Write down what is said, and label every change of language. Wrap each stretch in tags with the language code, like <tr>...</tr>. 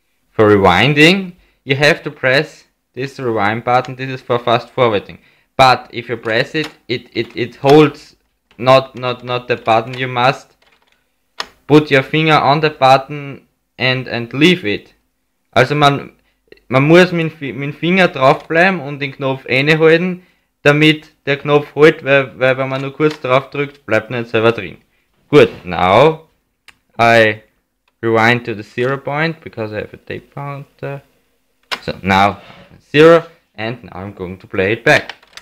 <en>For rewinding, you have to press this rewind button. This is for fast forwarding. But if you press it, it holds not the button. You must put your finger on the button and leave it.</en> <de>Also man muss mit Finger drauf bleiben und den Knopf eine halten, damit der Knopf hält, weil wenn man nur kurz drauf drückt, bleibt nicht selber drin.</de> <en>Good. Now I rewind to the zero point because I have a tape counter. So now zero, and now I'm going to play it back.</en>